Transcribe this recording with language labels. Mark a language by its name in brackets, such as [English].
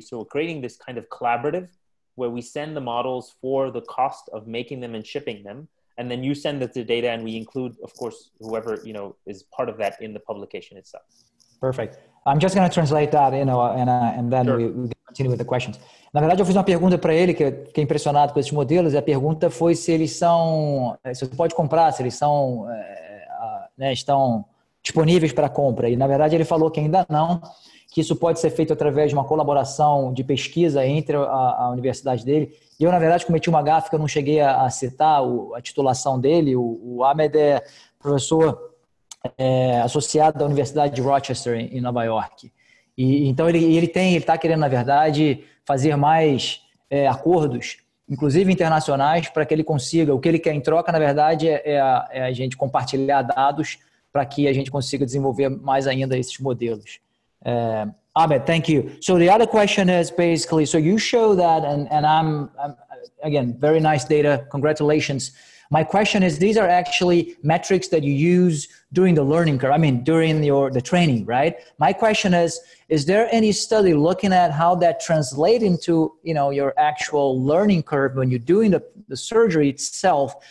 [English] So we're creating this kind of collaborative where we send the models for the cost of making them and shipping them. And then you send us the data and we include, of course, whoever, you know, is part of that in the publication itself. Perfect. I'm just going to translate that, you know, and then sure. we can continue with the questions. [Portuguese] Na verdade, eu fiz uma pergunta para ele, que eu fiquei impressionado com esses modelos, e a pergunta foi se eles são, se você pode comprar, se eles são, né, estão disponíveis para compra. E, na verdade, ele falou que ainda não, que isso pode ser feito através de uma colaboração de pesquisa entre a universidade dele. E eu, na verdade, cometi uma gafe que eu não cheguei a citar a titulação dele. O Ahmed é professor associado da Universidade de Rochester, em Nova York. E, então, ele está querendo, na verdade, fazer mais acordos, inclusive internacionais, para que ele consiga. O que ele quer em troca, na verdade, é a gente compartilhar dados para que a gente consiga desenvolver mais ainda esses modelos. [English] Ahmed, thank you. So the other question is basically, so you show that, and I'm again, very nice data, congratulations. My question is, these are actually metrics that you use during the learning curve, I mean, during the training, right? My question is there any study looking at how that translates into, you know, your actual learning curve when you're doing the surgery itself?